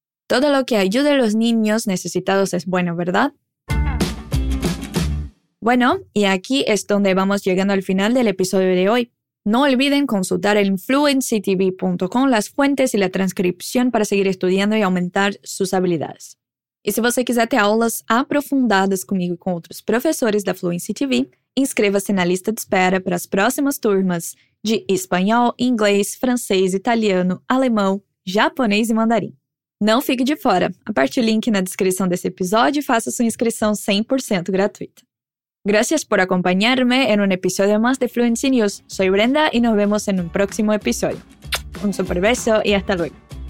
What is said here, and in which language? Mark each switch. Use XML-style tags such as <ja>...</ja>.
<es>Todo lo que ayude a los niños necesitados es bueno, ¿verdad? Bueno, y aquí es donde vamos llegando al final del episodio de hoy. No olviden consultar el fluencytv.com, las fuentes y la transcripción para seguir estudiando y aumentar sus habilidades.</es> <pt>E se você quiser ter aulas aprofundadas comigo e com outros professores da Fluency TV, inscreva-se na lista de espera para as próximas turmas de espanhol, inglês, francês, italiano, alemão, japonês e mandarim. Não fique de fora. Aperte o link na descrição desse episódio e faça sua inscrição 100% gratuita.</pt> <es>Gracias por acompañarme en un episodio más de Fluency News. Soy Brenda y nos vemos en un próximo episodio. Un super beso y hasta luego.</es>